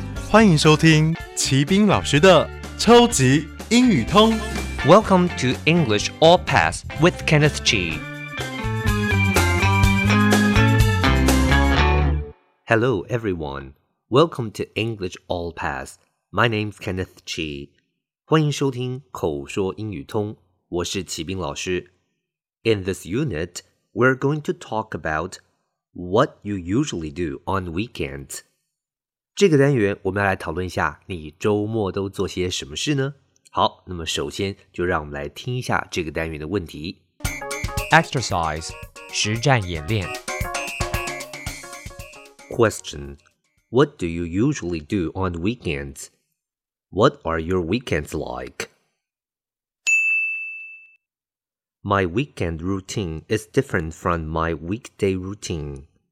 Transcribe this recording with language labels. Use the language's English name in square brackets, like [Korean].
[Chinese] 欢迎收听齐斌老师的超级英语通。 [English] Welcome to English All Pass with Kenneth G. Hello, everyone. Welcome to English All Pass. My name's Kenneth G. [Chinese] 欢迎收听口说英语通。我是齐斌老师。 [English] In this unit, we're going to talk about what you usually do on weekends. [Chinese] 这个单元我们要来讨论一下你周末都做些什么事呢？好，那么首先就让我们来听一下这个单元的问题。 Exercise, 实战演练。 [English] Question, what do you usually do on weekends? What are your weekends like? My weekend routine is different from my weekday routine.